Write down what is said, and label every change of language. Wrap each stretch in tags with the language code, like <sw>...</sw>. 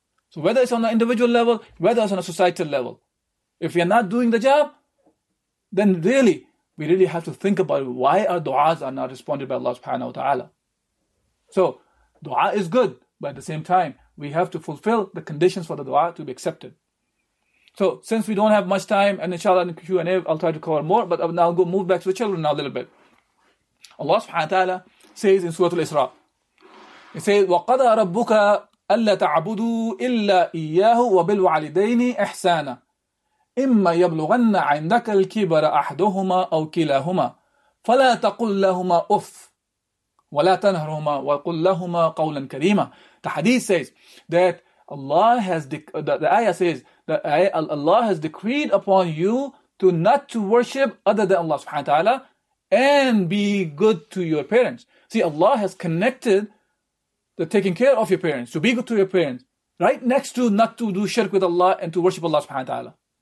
<en>So whether it's on an individual level, whether it's on a societal level, if you're not doing the job, then really, we really have to think about why our du'as are not responded by Allah subhanahu wa ta'ala. So, du'a is good, but at the same time, we have to fulfill the conditions for the du'a to be accepted. So, since we don't have much time, and inshallah in Q&A, I'll try to cover more, but now I'll go move back to the children now a little bit. Allah subhanahu wa ta'ala says in Surah Al-Isra, it says,</en> <ar>وَقَدَى رَبُّكَ أَلَّا تَعْبُدُوا إِلَّا إِيَّاهُ وَبِالْوَعْلِدَيْنِ إِحْسَانًا إِمَّا يَبْلُغَنَّ عِنْدَكَ الْكِبَرَ أَحْدُهُمَا أَوْ كِلَاهُمَا فَلَا تَقُلْ لَهُمَا أُفْ وَلَا تَنْهَرْهُمَا وَقُلْ لَهُمَا قَوْلًا كَرِيمًا.</ar> <en>The hadith says that Allah has the ayah says that Allah has decreed upon you to not to worship other than Allah subhanahu wa ta'ala and be good to your parents. See, Allah has connected the taking care of your parents, to be good to your parents, right next to not to do shirk with Allah and to worship Allah subhanahu wa ta'ala.</en>